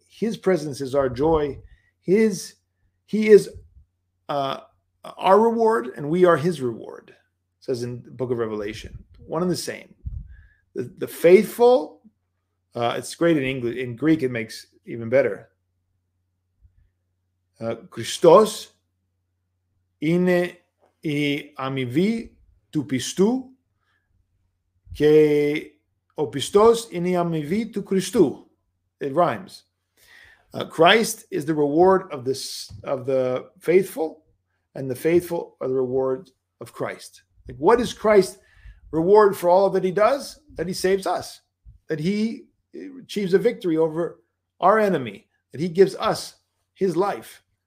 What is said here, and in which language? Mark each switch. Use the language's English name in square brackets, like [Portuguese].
[English] His presence is our joy. He is our reward, and we are his reward, says in the book of Revelation. One and the same. The faithful, it's great in English. In Greek, it makes even better. [Greek] Christos είναι η αμοιβή του πιστού και ο πιστός είναι η αμοιβή του Χριστού. [English] It rhymes. Christ is the reward of the faithful, and the faithful are the reward of Christ. Like, what is Christ's reward for all that he does? That he saves us, that he achieves a victory over our enemy, that he gives us his life.